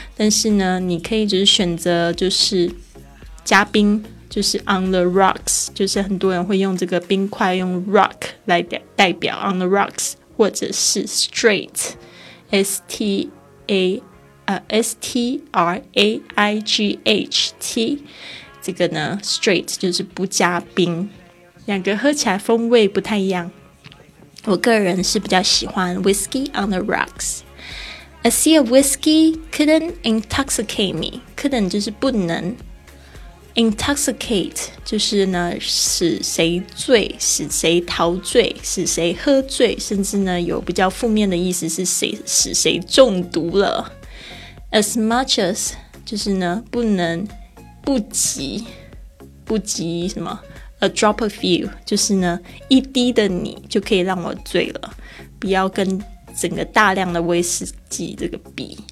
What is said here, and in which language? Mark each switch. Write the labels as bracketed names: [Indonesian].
[Chinese] 但是呢，你可以就是选择就是加冰，就是 [English] on the rocks, [Chinese] 就是很多人会用这个冰块用 rock 来代表 on the rocks, 或者是 straight, S-T-R-A-I-G-H-T, 这个呢 straight 就是不加冰，两个喝起来风味不太一样。我个人是比较喜欢 [English] whiskey on the rocks. A sea of whiskey couldn't intoxicate me. [Chinese] Couldn't 就是不能， intoxicate 就是呢使谁醉，使谁陶醉，使谁喝醉，甚至呢有比较负面的意思是谁使谁中毒了。 [English] As much as [Chinese] 就是呢不能，不及，不及什么 [English] A drop of you, [Chinese] 就是呢一滴的你就可以让我醉了，不要跟整个大量的威士忌这个比。